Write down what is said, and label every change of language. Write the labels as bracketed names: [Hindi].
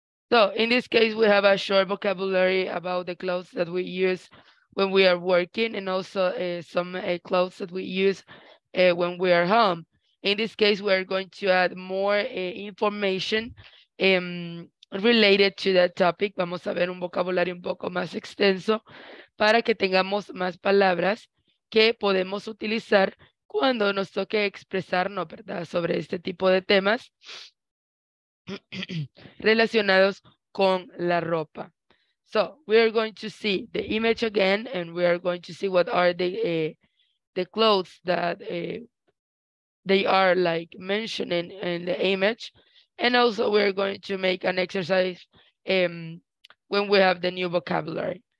[English] So in this case, we have a short vocabulary about the clothes that we use when we are working, and also some clothes that we use when we are home. In this case, we are going to add more information related to that topic. [Spanish] Vamos a ver un vocabulario un poco más extenso para que tengamos más palabras que podemos utilizar cuando nos toque expresarnos, ¿verdad?, sobre este tipo de temas relacionados con la ropa. [English] So we are going to see the image again, and we are going to see what are the clothes that they are like mentioning in the image. And also we are going to make an exercise when we have the new vocabulary.